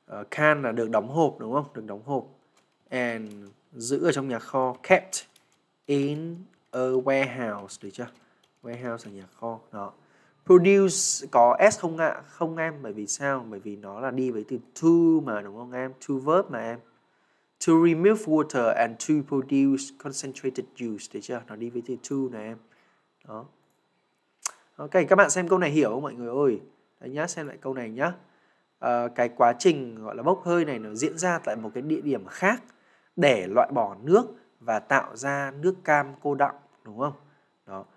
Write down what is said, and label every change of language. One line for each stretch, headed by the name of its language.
Vietnamese: Can là được đóng hộp đúng không? Được đóng hộp. And giữ ở trong nhà kho.
English: Kept in a warehouse.
Vietnamese: Được chưa? Warehouse là nhà kho. Đó. Produce có S không ạ? Không em. Bởi vì sao? Bởi vì nó là đi với từ to mà đúng không em? To verb mà em.
English: To remove water and to produce concentrated juice.
Vietnamese: Được chưa? Nó đi với từ to này em. Đó. Ok, các bạn xem câu này hiểu không mọi người ơi? Đấy nhá, xem lại câu này nhá. Cái quá trình gọi là bốc hơi này nó diễn ra tại một cái địa điểm khác để loại bỏ nước và tạo ra nước cam cô đọng, đúng không? Đó.